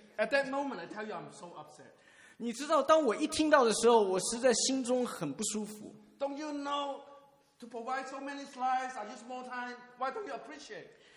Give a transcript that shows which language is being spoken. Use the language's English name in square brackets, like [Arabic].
[English] ？At that moment, I tell you, I'm so upset. [Chinese] 你知道，当我一听到的时候，我实在心中很不舒服。 [English] Don't you know to provide so many slides? I use more time. Why don't you appreciate?